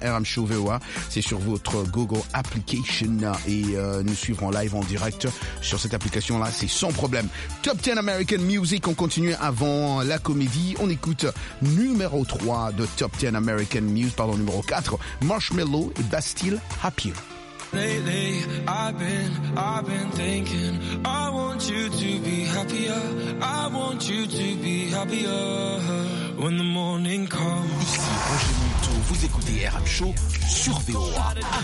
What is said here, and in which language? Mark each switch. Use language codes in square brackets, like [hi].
[fr] RM Show VOA, c'est sur votre Google Application et nous suivrons live en direct sur cette application-là. C'est sans problème. Top 10 American Music, on continue avant la comédie. On écoute numéro 3 de Top 10 American Muse, pardon, numéro 4, Marshmello et Bastille Happier. [en] Lately, I've been thinking, I want you to be happier, I want you to be happier when the morning comes. [fr] Ici Roger Minto, vous écoutez RM Show sur VOA